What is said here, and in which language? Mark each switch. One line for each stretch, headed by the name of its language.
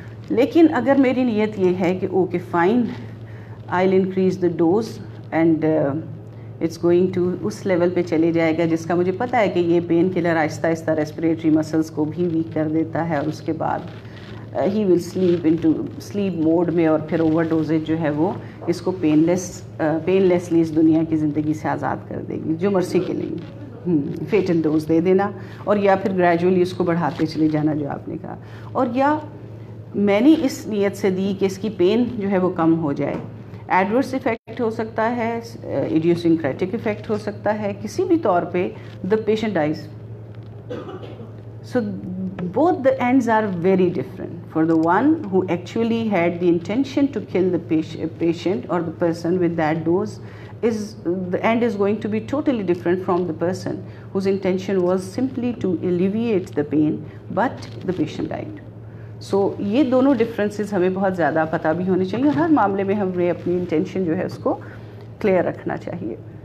Urdu: لیکن اگر میری نیت یہ ہے کہ
English: okay fine, I will increase the dose and it's going to
Urdu: اس level پہ چلے جائے گا جس کا مجھے پتہ ہے کہ یہ پین کلر آہستہ آہستہ ریسپریٹری مسلس کو بھی ویک کر دیتا ہے, اور اس کے بعد
English: he will sleep into
Urdu: sleep mood میں, اور پھر اوور ڈوزیج جو ہے وہ اس کو پین لیسلی اس دنیا کی زندگی سے آزاد کر دے گی, جو مرسی کے لیے فیٹل ڈوز دے دینا, اور یا پھر گریجولی اس کو بڑھاتے چلے جانا جو آپ نے کہا. اور یا میں نے اس نیت سے دی کہ اس کی پین جو ہے وہ کم ہو جائے, ایڈورس افیکٹ ہو سکتا ہے, ایڈیوسنکریٹک افیکٹ ہو سکتا ہے, کسی بھی طور پہ
English: The patient dies. So both the ends are very different for the one who actually had the intention to kill the patient اور the person with that dose, is the end is going to be totally different from the person whose intention was simply to alleviate the pain but the patient died.
Urdu: سو یہ دونوں differences ہمیں بہت زیادہ پتہ بھی ہونے چاہیے, اور ہر معاملے میں ہمیں اپنی انٹینشن جو ہے اس کو کلیئر رکھنا چاہیے.